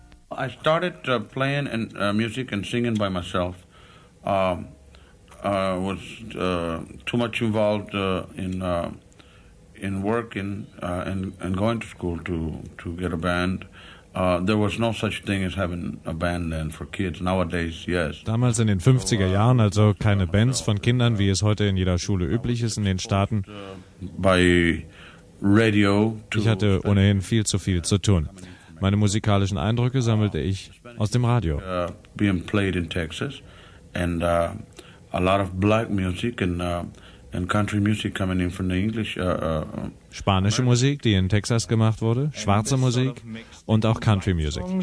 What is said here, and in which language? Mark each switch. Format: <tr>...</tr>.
<en>I started playing and music and singing by myself. I was too much involved in working and going to school to get a band. There was no such thing as having a band then for kids. Nowadays, yes.</en> <de>Damals in den 50er Jahren, also keine Bands von Kindern, wie es heute in jeder Schule üblich ist in den Staaten.</de> <en>By radio.</en> <de>Ich hatte ohnehin viel zu viel zu tun. Meine musikalischen Eindrücke sammelte ich aus dem Radio.</de> <en>Being played in Texas and a lot of black music and country music coming in from the English.</en> <de>Spanische Musik, die in Texas gemacht wurde, schwarze Musik und auch Country Music.</de>